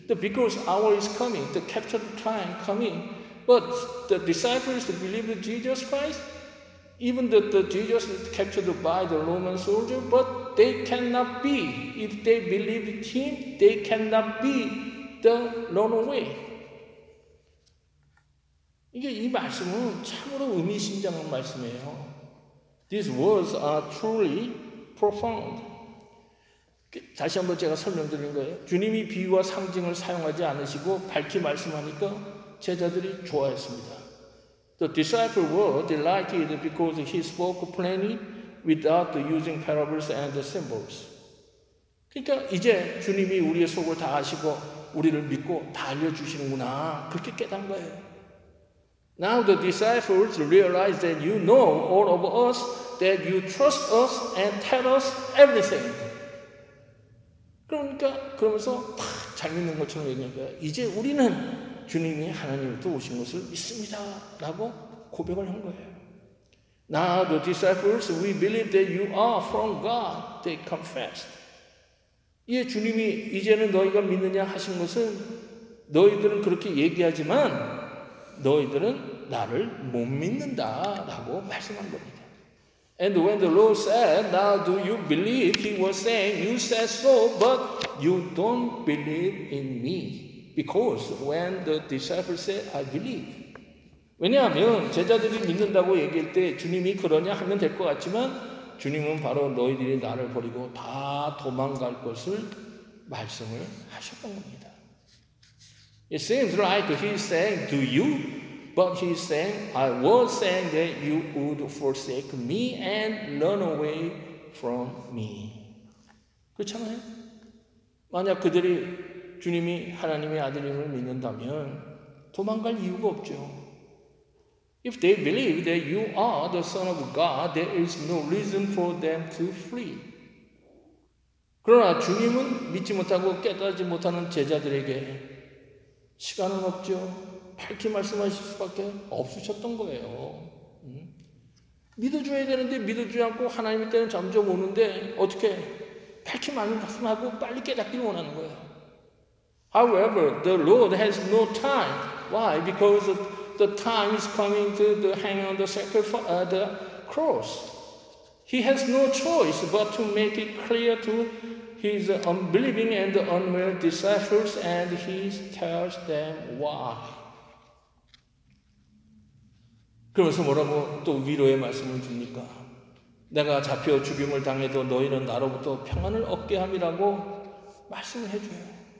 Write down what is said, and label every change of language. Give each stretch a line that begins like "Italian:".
English: The because hour is coming, the captured time coming. But the disciples believed Jesus Christ, even the Jesus captured by the Roman soldier, but they cannot be. If they believe him, they cannot be the runaway.
Korean: 이게 이 말씀은 참으로 의미심장한 말씀이에요.
English: These words are truly profound.
Korean: 다시 한번 제가 설명드린 거예요. 주님이 비유와 상징을 사용하지 않으시고 밝히 말씀하니까 제자들이 좋아했습니다.
English: The disciples were delighted because he spoke plainly without using parables and symbols.
Korean: 그러니까 이제 주님이 우리의 속을 다 아시고 우리를 믿고 다 알려주시는구나. 그렇게 깨달은 거예요.
English: Now the disciples realize that you know all of us, that you trust us and tell us everything.
Korean: 그러니까 그러면서 탁 잘 믿는 것처럼 얘기한 거야. 이제 우리는 주님이 하나님으로부터 오신 것을 믿습니다. 라고 고백을 한 거예요.
English: Now the disciples, we believe that you are from God. They confessed.
Korean: 예, 주님이 이제는 너희가 믿느냐 하신 것은 너희들은 그렇게 얘기하지만 너희들은 나를 못 믿는다 라고 말씀한 겁니다.
English: And when the Lord said, now do you believe? He was saying, you said so, but you don't believe in me. Because when the disciples said, I believe.
Korean: 왜냐하면 제자들이 믿는다고 얘기할 때 주님이 그러냐 하면 될 것 같지만 주님은 바로 너희들이 나를 버리고 다 도망갈 것을 말씀을 하셨던 겁니다.
English: It seems like he's saying, do you? But he's saying, I was saying that you would forsake me and run away from me.
Korean: 그렇잖아요. 만약 그들이 주님이 하나님의 아들임을 믿는다면 도망갈 이유가 없죠.
English: If they believe that you are the Son of God, there is no reason for them to flee.
Korean: 그러나 주님은 믿지 못하고 깨닫지 못하는 제자들에게 시간은 없죠. 밝히 말씀하실 수밖에 없으셨던 거예요. 믿어줘야 되는데 믿어주지 않고 하나님의 때는 점점 오는데 어떻게 밝히 말씀하고 빨리 깨닫기를 원하는 거예요.
English: However, the Lord has no time. Why? Because the time is coming to the hang on the sacrifice, the cross. He has no choice but to make it clear to His unbelieving and unwilling disciples, and he tells them why.
Korean: 그러면서 뭐라고 또 위로의 말씀을 줍니까? 내가 잡혀 죽임을 당해도 너희는 나로부터 평안을 얻게 함이라고 말씀을 해줘요.